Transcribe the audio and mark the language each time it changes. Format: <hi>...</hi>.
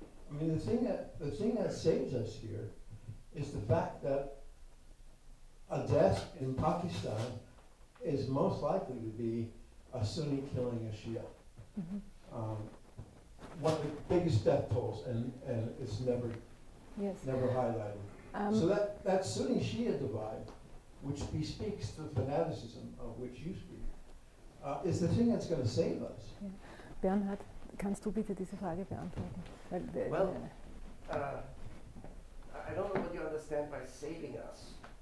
<en>I mean, the thing that saves us here is the fact that a death in Pakistan is most likely to be a Sunni killing a Shia. Mm-hmm. One of the biggest death tolls, and it's never, never highlighted. So that Sunni Shia divide, which bespeaks the fanaticism of which you speak, is the thing that's going to save us. Yeah.</en> <de>Bernhard, kannst du bitte diese Frage beantworten?</de> <en>Well, I don't know what you understand by saving us.</en>